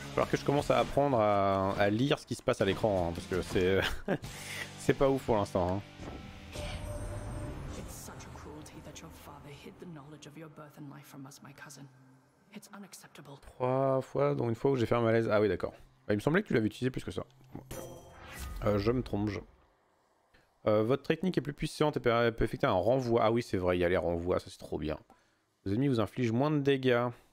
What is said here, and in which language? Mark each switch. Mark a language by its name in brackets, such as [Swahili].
[French] Que je commence à apprendre à lire ce qui se passe à l'écran hein, parce que c'est c'est pas ouf pour l'instant. [English] Hein. It's such a cruelty that your father hid the knowledge of your birth and life from us, my cousin. It's unacceptable. [French] 3 fois, dont une fois où j'ai fait un malaise. Ah oui, d'accord. Il me semblait que tu l'avais utilisé plus que ça. Je me trompe. Votre technique est plus puissante et peut effectuer un renvoi. Ah oui, c'est vrai, il y a les renvois, ça c'est trop bien. Les ennemis vous infligent moins de dégâts.